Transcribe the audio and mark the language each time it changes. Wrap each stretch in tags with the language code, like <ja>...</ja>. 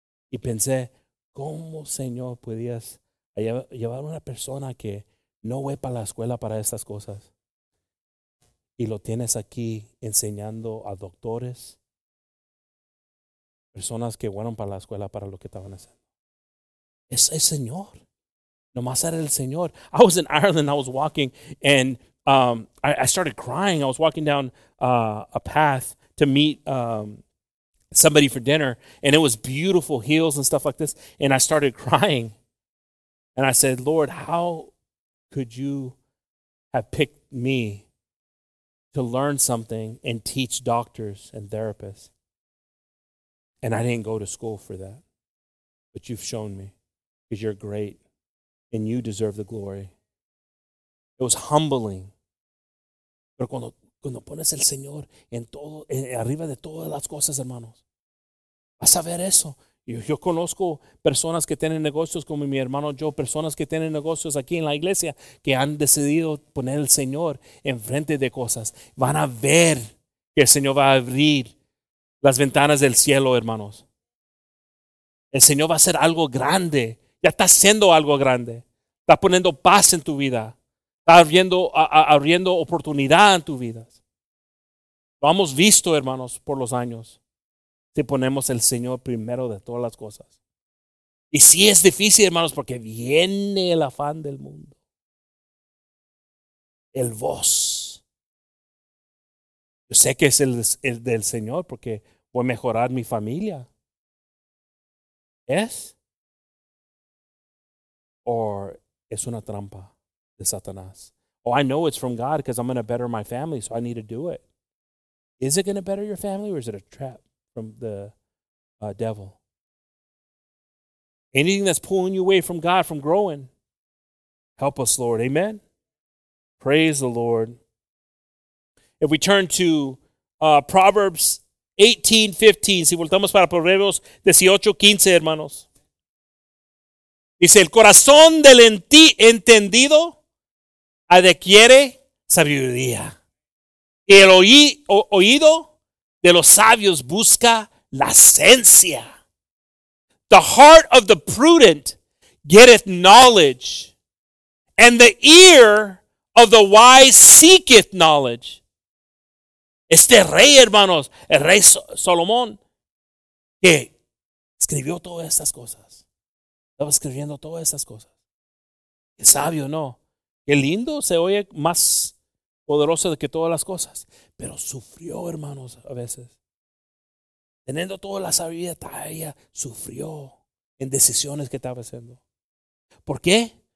<es>Y pensé, ¿cómo, Señor, podías llevar a una persona que no fue para la escuela para estas cosas? Y lo tienes aquí enseñando a doctores, personas que fueron para la escuela para lo que estaban haciendo. Es el Señor. Nomás era el Señor.</es> <en>I was in Ireland, I was walking, and I started crying. I was walking down a path to meet somebody for dinner, and it was beautiful hills and stuff like this, and I started crying. And I said, Lord, how could you have picked me to learn something and teach doctors and therapists. And I didn't go to school for that. But you've shown me because you're great and you deserve the glory. It was humbling.</en> <es>Pero cuando pones el Señor en todo, arriba de todas las cosas, hermanos, vas a ver eso. Yo conozco personas que tienen negocios como mi hermano Joe, personas que tienen negocios aquí en la iglesia que han decidido poner al Señor enfrente de cosas. Van a ver que el Señor va a abrir las ventanas del cielo, hermanos. El Señor va a hacer algo grande. Ya está haciendo algo grande. Está poniendo paz en tu vida. Está abriendo oportunidad en tu vida. Lo hemos visto, hermanos, por los años. Si ponemos el Señor primero de todas las cosas. Y sí es difícil, hermanos, porque viene el afán del mundo. El voz. Yo sé que es el del Señor porque voy a mejorar mi familia. ¿Es? ¿O es una trampa de Satanás?</es> <en>Oh, I know it's from God because I'm going to better my family, so I need to do it. Is it going to better your family or is it a trap from the devil? Anything that's pulling you away from God, from growing, help us, Lord. Amen? Praise the Lord. If we turn to Proverbs 18:15,</en> <es>si voltamos para Proverbios 18:15, hermanos. Dice, el corazón del entendido adquiere sabiduría. Y el oído de los sabios busca la ciencia.</es> <en>The heart of the prudent getteth knowledge. And the ear of the wise seeketh knowledge.</en> <es>Este rey, hermanos, el rey Salomón, que escribió todas estas cosas. Estaba escribiendo todas estas cosas. Qué sabio, ¿no? Qué lindo, se oye más poderoso que todas las cosas. Pero sufrió, hermanos, a veces. Teniendo toda la sabiduría, todavía sufrió en decisiones que estaba haciendo. ¿Por qué?</es>